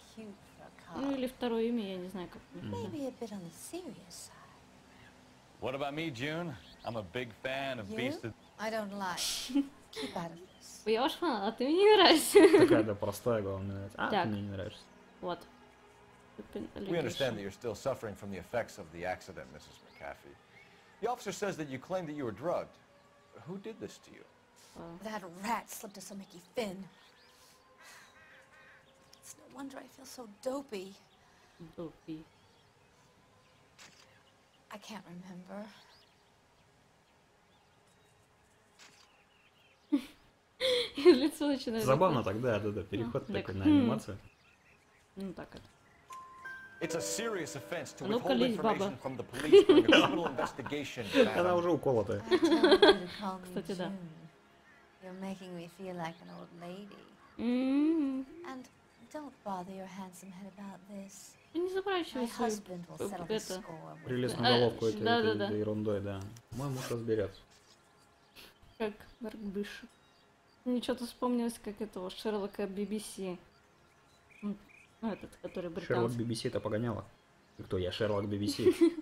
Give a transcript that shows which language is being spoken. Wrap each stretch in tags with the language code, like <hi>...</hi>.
<ru>cute, ну или второе имя, я не знаю, как. Может быть, немного на серьезной стороне. Что обо мне, Джун? Я большой фан Beast of... Вы? Я не лгу. Держитесь от этого. Я уж фанат, а ты мне не нравишься. Такая, да, простая, главное, мне нравится. А, так. Ты мне не нравишься. Вот.</ru> <en>We understand that you're still suffering from the effects of the accident, Mrs. McAfee. The officer says that you claimed that you were drugged. Who did this to you? That rat slipped us a Mickey Finn. It's no wonder I feel so dopey. Dopey. I can't remember.</en> <ru>Лицо начинает... Забавно тогда, да-да, переход такой на анимацию. Ну так это.</ru> <en>It's a serious offense to withhold information from the police during a criminal investigation.</en> <ru>Она уже уколотая. Кстати, да.</ru> <en>You're making me feel like an old lady. And don't bother your handsome head about this.</en> <ru>Не заворачивайся.</ru> <en>My husband will settle the score.</en> <ru>Прилез на головку этой ерундой, да. Мой муж разберется. Как Марк Бышев. Мне что-то вспомнилось, как этого Шерлока BBC. Ну, этот, который британский. Шерлок BBC это погоняло. Кто я? Шерлок BBC.</ru>